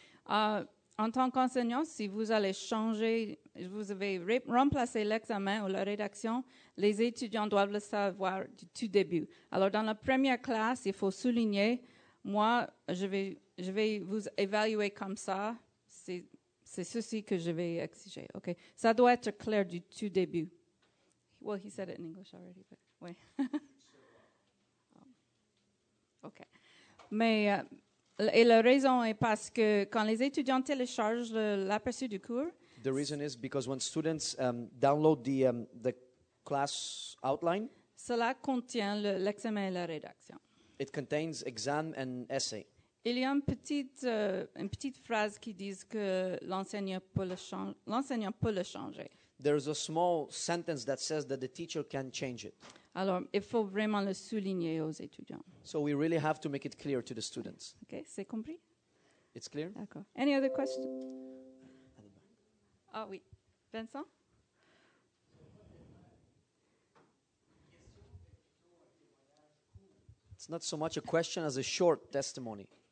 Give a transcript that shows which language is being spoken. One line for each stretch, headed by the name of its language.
French: En tant qu'enseignant, si vous allez changer, vous avez remplacé l'examen ou la rédaction, les étudiants doivent le savoir du tout début. Alors, dans la première classe, il faut souligner, moi, je vais vous évaluer comme ça, c'est ceci que je vais exiger. Okay? Ça doit être clair du tout début.
English: Well, he said it in English already, but wait. Okay.
French: Mais, et la raison est parce que quand les étudiants téléchargent l'aperçu du cours...
English: The reason is because when students download the class outline...
French: Cela contient l'examen et la rédaction.
English: It contains exam and essay.
French: Il y a une petite phrase qui dit que l'enseignant peut le changer.
English: There's a small sentence that says that the teacher can change it.
French: Alors, il faut vraiment le souligner aux étudiants.
English: So we really have to make it clear to the students.
French: Okay, c'est compris?
English: It's clear?
French: D'accord.
English: Any other questions?
French: Ah oui. Vincent?
English: It's not so much a question as a short testimony.